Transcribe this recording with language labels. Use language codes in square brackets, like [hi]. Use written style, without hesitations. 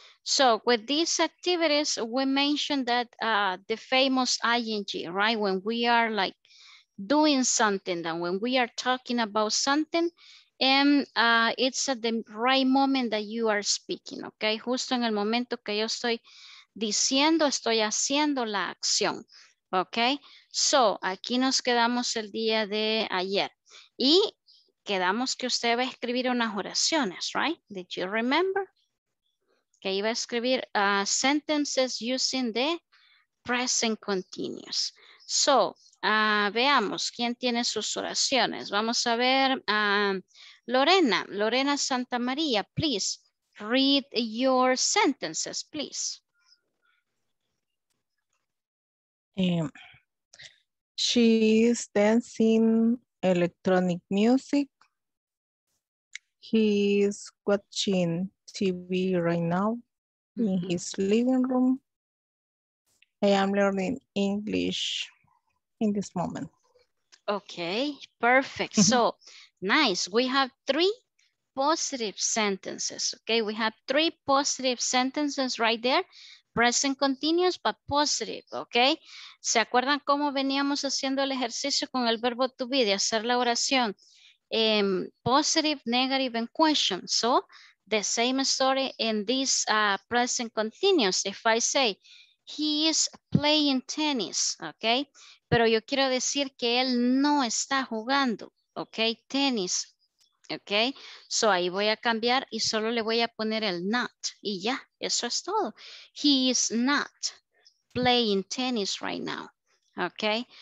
[en] So with these activities, we mentioned that the famous ing, right? When we are like doing something, then when we are talking about something, and it's at the right moment that you are speaking, okay? [es] Justo en el momento que yo estoy diciendo, estoy haciendo la acción. Ok, so aquí nos quedamos el día de ayer y quedamos que usted va a escribir unas oraciones, right? [en] Did you remember? [es] Que iba a escribir [en] sentences using the present continuous. [es] So, veamos quién tiene sus oraciones. Vamos a ver Lorena. [en] Lorena Santa María, please read your sentences, please. She is dancing electronic music. He is watching TV right now in his living room. I am learning English in this moment. Okay, perfect. So nice. We have three positive sentences. Okay, we have three positive sentences right there. Present continuous, but positive, ¿ok? [es] ¿Se acuerdan cómo veníamos haciendo el ejercicio con el verbo to be, de hacer la oración? [en] Positive, negative, and question. So, the same story in this present continuous. If I say, he is playing tennis, ¿ok? [es] Pero yo quiero decir que él no está jugando, ¿ok? Tennis, ¿ok? So ahí voy a cambiar y solo le voy a poner el not y ya, eso es todo. [en] He is not playing tennis right now, ¿ok?